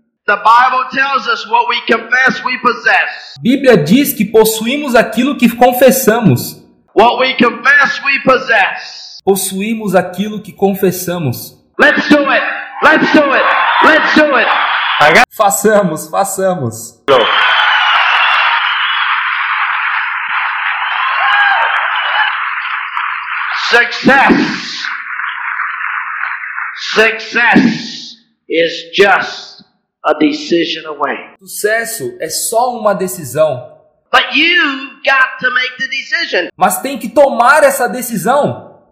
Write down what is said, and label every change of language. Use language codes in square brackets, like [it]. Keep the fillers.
[en] The Bible tells us what we confess, we possess. [pt] Bíblia diz que possuímos aquilo que confessamos. [en] What we confess, possess. [pt] Possuímos aquilo que confessamos. [en] Let's do it. Let's do it. Let's do it. Got... [pt] Façamos, façamos. Go. [en] Success. Success is just a decision [pt] Sucesso é só uma decisão. [en] But you got to make the decision. [pt] Mas tem que tomar essa decisão.